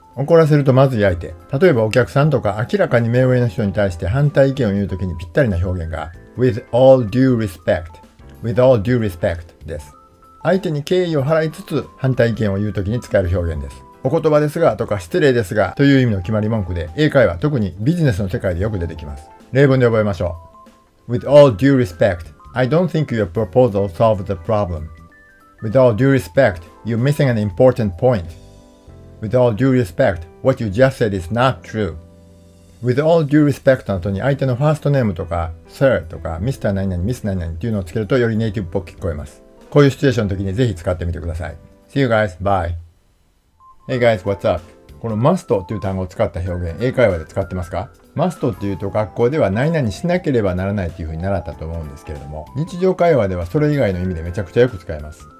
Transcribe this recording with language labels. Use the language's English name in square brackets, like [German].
[Japanese] 怒らせるとまずい相手。例えばお客さんとか明らかに目上の人に対して反対意見を言うときにぴったりな表現が [English] with all due respect. With all due respect です。 [Japanese] 相手に敬意を払いつつ反対意見を言うときに使える表現です。お言葉ですがとか失礼ですがという意味の決まり文句で、英会話、特にビジネスの世界でよく出てきます。例文で覚えましょう。 [English] With all due respect, I don't think your proposal solves the problem. With all due respect, you're missing an important point. With all due respect, what you just said is not true. With all due respect [Japanese] の後に相手のファーストネームとか Sir とか Mr. 何々 Miss 何々っていうのをつけるとよりネイティブっぽく聞こえます。こういうシチュエーションの時にぜひ使ってみてください。 [English] See you guys, bye! Hey guys, what's up? [Japanese] この must っていう単語を使った表現、英会話で使ってますか？must っていうと学校では何々しなければならないっていうふうに習ったと思うんですけれども、日常会話ではそれ以外の意味でめちゃくちゃよく使えます。